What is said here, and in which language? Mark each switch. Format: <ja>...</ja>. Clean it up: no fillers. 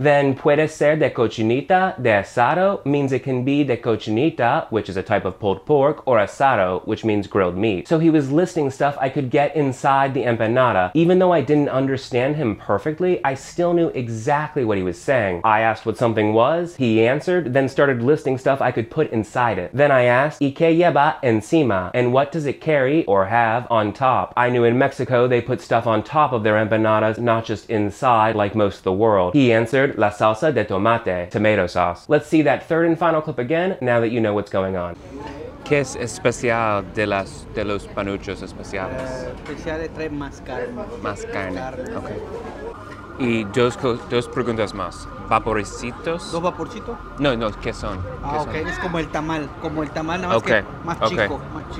<en>Then,</en> <es>puede ser de cochinita, de asado,</es> <en>means it can be de cochinita, which is a type of pulled pork, or asado, which means grilled meat. So he was listing stuff I could get inside the empanada. Even though I didn't understand him perfectly, I still knew exactly what he was saying. I asked what something was, he answered, then started listing stuff I could put inside it. Then I asked,</en> <es>¿Y qué lleva encima?</es> <en>And what does it carry, or have, on top? I knew in Mexico they put stuff on top of their empanadas, not just inside, like most of the world. He answered,</en> <es>la salsa de tomate,</es> <en>tomato sauce. Let's see that third and final clip again, now that you know what's going on.</en> <es>¿Qué es especial de los panuchos especiales? Especial es traer más carne. Más carne. Carne. Okay. Y dos preguntas más. ¿Vaporcitos? ¿Dos vaporcitos? No, no, ¿qué son? ¿Qué son? Es como el tamal, nada más que más, chico, más chico.</es>